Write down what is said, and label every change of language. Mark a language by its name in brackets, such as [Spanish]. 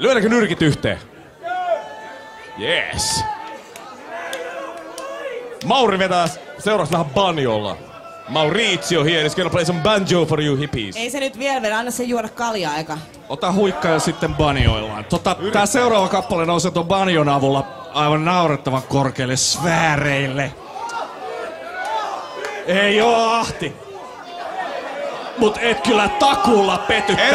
[Finnish] Lyödäänkö nyrkit yhteen? Jees. Mauri vetää seuraavaksi vähän banjolla. [English] Maurizio here is gonna play some banjo for you hippies. [Finnish] Ei se nyt vielä vedä, anna sen juoda kaljaa eka. Ota huikka ja sitten banjoillaan. Tää seuraava kappale nousee ton banjon avulla aivan naurettavan korkeille sfääreille. Ei oo ahti. Mut et kyllä takuulla petty tähän biisiin.